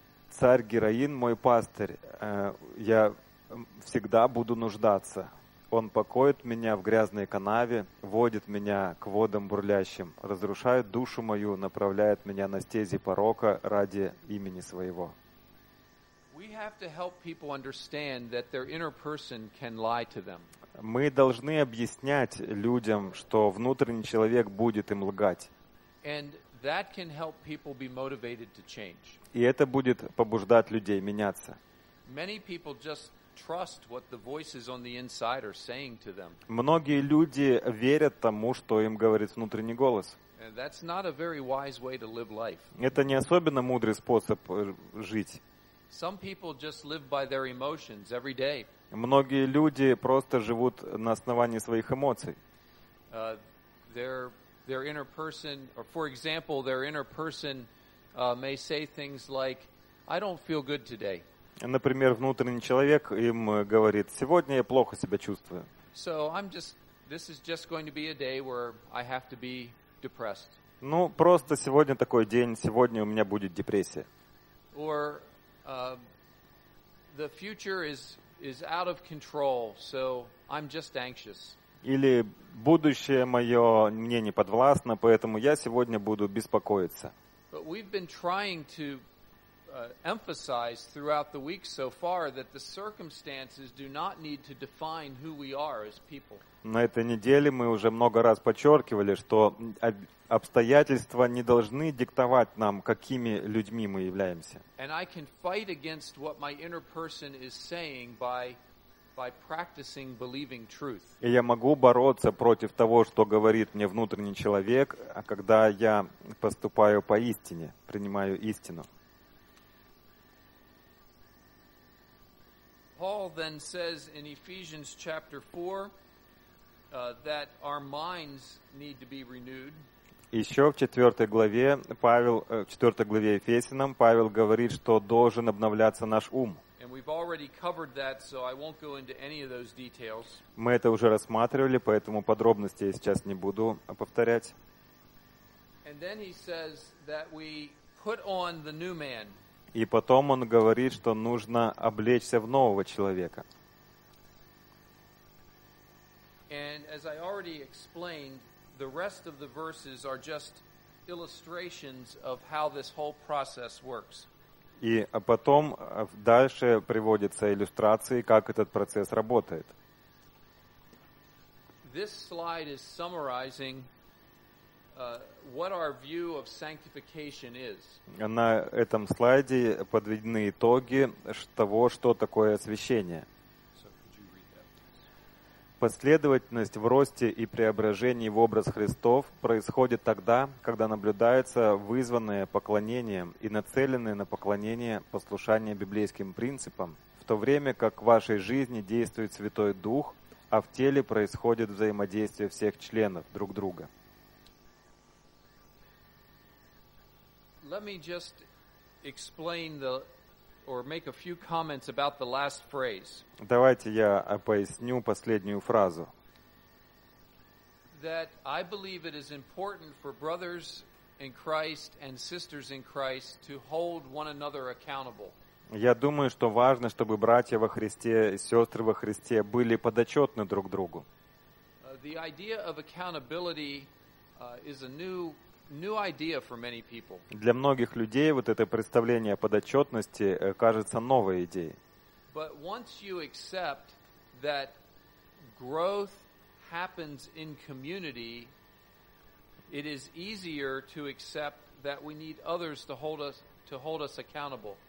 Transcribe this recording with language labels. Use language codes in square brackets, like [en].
[ru] Царь героин, мой пастырь, я всегда буду нуждаться. Он покоит меня в грязной канаве, водит меня к водам бурлящим, разрушает душу мою, направляет меня на стези порока ради имени своего. [en] We have to help people understand that their inner person can lie to them. [ru] Мы должны объяснять людям, что внутренний человек будет им лгать. [en] And that can help people be motivated to change. [ru] И это будет побуждать людей меняться. [en] Many people just trust what the voices on the inside are saying to them. [ru] Многие люди верят тому, что им говорит внутренний голос. [en] And that's not a very wise way to live life. [ru] Это не особенно мудрый способ жить. [en] Some people just live by their emotions every day. [ru] Многие люди просто живут на основании своих эмоций. [en] Their inner person, or for example, their inner person may say things like, I don't feel good today. [ru] Например, внутренний человек им говорит: сегодня я плохо себя чувствую. [en] So I'm just, this is just going to be a day where I have to be depressed. [ru] Ну, просто сегодня такой день, сегодня у меня будет депрессия. [en] Or the future is out of control, so I'm just anxious. [ru] Или будущее мое мне не подвластно, поэтому я сегодня буду беспокоиться. [en] But we've been trying to emphasize throughout the week so far that the circumstances do not need to define who we are as people. [ru] На этой неделе мы уже много раз подчеркивали, что обстоятельства не должны диктовать нам, какими людьми мы являемся. [en] And I can fight against what my inner person is saying by practicing believing truth. [ru] И я могу бороться против того, что говорит мне внутренний человек, а когда я поступаю по истине, принимаю истину. [en] Paul then says in Ephesians chapter 4 that our minds need to be renewed. [ru] Еще в 4 главе Павел, в 4 главе Ефесянам Павел говорит, что должен обновляться наш ум. [en] And we've already covered that, so I won't go into any of those details. [ru] Мы это уже рассматривали, поэтому подробности я сейчас не буду повторять. [en] And then he says that we put on the new man. [ru] И потом он говорит, что нужно облечься в нового человека. [en] And as I already explained, the rest of the verses are just illustrations of how this whole process works. [ru] И потом дальше приводятся иллюстрации, как этот процесс работает. [en] This slide is summarizing what our view of sanctification is. [ru] На этом слайде подведены итоги того, что такое освящение. Последовательность в росте и преображении в образ Христов происходит тогда, когда наблюдается вызванное поклонением и нацеленное на поклонение послушание библейским принципам, в то время как в вашей жизни действует Святой Дух, а в теле происходит взаимодействие всех членов друг друга. [en] Let me just explain the or make a few comments about the last phrase. [ru] Давайте я поясню последнюю фразу. [en] That I believe it is important for brothers in Christ and sisters in Christ to hold one another accountable. [ru] Я думаю, что важно, чтобы братья во Христе и сёстры во Христе были подотчётны друг другу. [en] The idea of accountability is a new idea for many people. [ru] Для многих людей вот это представление о подотчетности кажется новой идеей. [en] But once you accept that growth happens in community, it is easier to accept that we need others to hold us accountable.